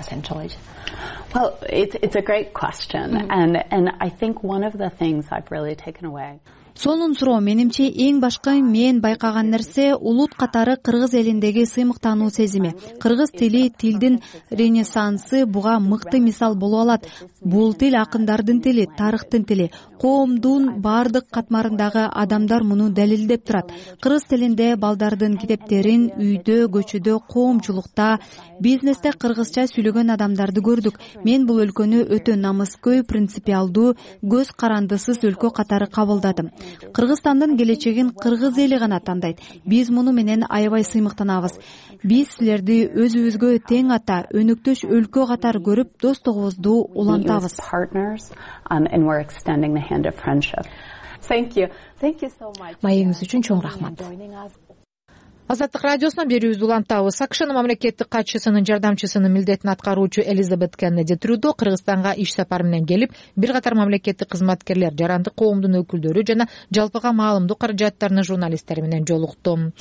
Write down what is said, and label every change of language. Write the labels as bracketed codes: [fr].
[en] Well, it's a great question and I think one of the things I've really taken away. [ky] Сонун суроо менимче эң башкы мен байкаган нерсе улут катары кыргыз элиндеги сыймыктануу сезими. Кыргыз тили тилдин ренессансы буга мыкты мисал боло алат. Бул тил акындардын тили, тарыхтын тили. Коомдун бардык катмарындагы адамдар муну далилдеп турат. Кыргыз тилинде балдардын китептерин үйдө, көчөдө, коомчулукта, бизнесте кыргызча сүйлөгөн адамдарды көрдүк. Мен бул өлкөнү өтө намыскөй, принципиалдуу, көз карандысыз өлкө катары кабылдадым. Кыргызстандын келечегин кыргыз эли гана тандайт. Биз муну менен аябай сыймыктанабыз. Биз силерди өзүбүзгө тең ата, өнөктөш өлкө катары көрүп, достугубузду улантабыз. [en] And we're extending the hand of friendship. Thank you. Thank you so much. [ky] Майыңыз үчүн чоң рахмат. Азаттык радиосуна берүүбүздү улантабыз. АКШнын мамлекеттик катчысынын жардамчысынын милдетин аткаруучу Элизабет Кеннеди Трюдо Кыргызстанга иш сапары менен келип, бир катар мамлекеттик кызматкерлер, жарандык коомдун өкүлдөрү жана жалпыга маалымдуу каражаттарынын журналисттери менен жолукту.